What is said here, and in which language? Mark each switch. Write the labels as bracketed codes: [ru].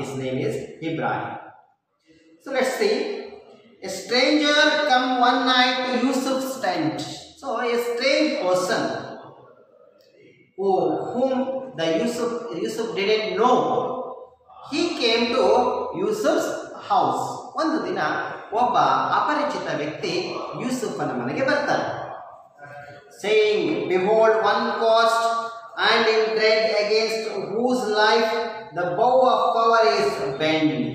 [en] His name is Ibrahim. So let's see. A stranger come one night to Yusuf's tent. So a strange person whom the Yusuf didn't know, he came to Yusuf's house. [kn] ಒಂದು ದಿನ ಒಬ್ಬ ಅಪರಿಚಿತ ವ್ಯಕ್ತಿ ಯೂಸುಫನ ಮನೆಗೆ ಬರ್ತಾನೆ. [en] Saying, "Behold, one cost and in dread, against whose life the bow of power is bent."